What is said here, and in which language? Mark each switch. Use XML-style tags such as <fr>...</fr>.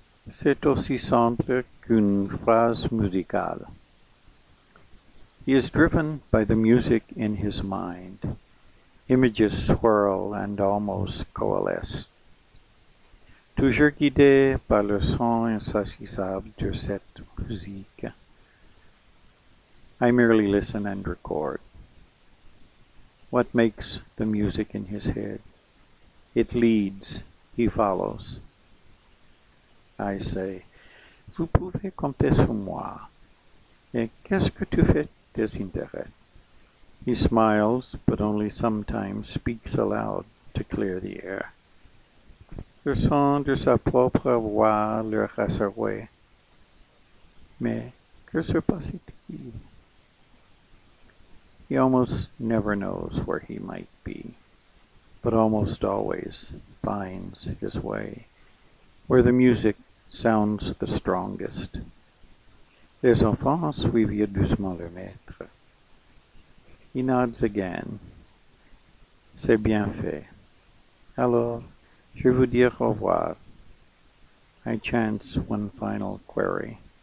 <fr>C'est aussi simple qu'une phrase musicale.</fr> <en>He is driven by the music in his mind. Images swirl and almost coalesce.</en> <fr>Toujours guidé par le son insaisissable de cette musique.</fr> <en>I merely listen and record. What makes the music in his head? It leads. He follows. I say,</en> <fr>vous pouvez compter sur moi. Et qu'est-ce que tu fais des intérêts?</fr> <en>He smiles, but only sometimes speaks aloud to clear the air.</en> <fr>Le son de sa propre voix le rassurait. Mais que se passe-t-il?</fr> <en>He almost never knows where he might be, but almost always finds his way, where the music sounds the strongest.</en> <fr>Les enfants suivaient doucement le maître.</fr> <en>He nods again.</en> <fr>C'est bien fait. Alors, je vous dis au revoir.</fr> <en>I chance one final query.</en>